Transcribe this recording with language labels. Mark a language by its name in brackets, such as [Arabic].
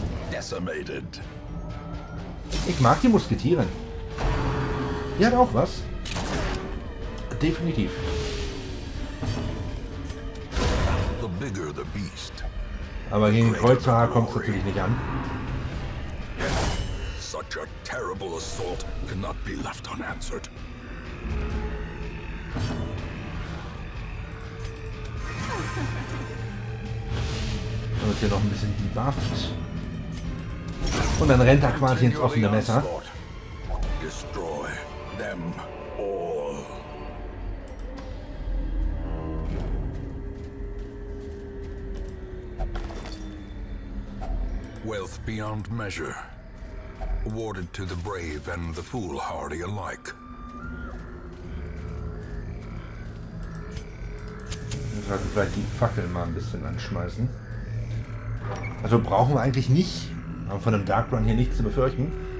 [English] Decimated. [German] Ich mag die Musketieren. Die hat auch was. Definitiv. [English] The bigger the beast. [German] Aber gegen den Kreuzfahrer kommt es natürlich nicht an. [English] Such a terrible assault cannot be left unanswered. [German] Dann wird hier noch ein bisschen debufft. Und dann rennt er quasi ins offene Messer. [English] Destroy them all. Wealth beyond measure. Awarded to the brave and the foolhardy alike. [German] Wir sollten vielleicht die Fackel mal ein bisschen anschmeißen. Also brauchen wir eigentlich nicht. Haben von einem Darkrun hier nichts zu befürchten.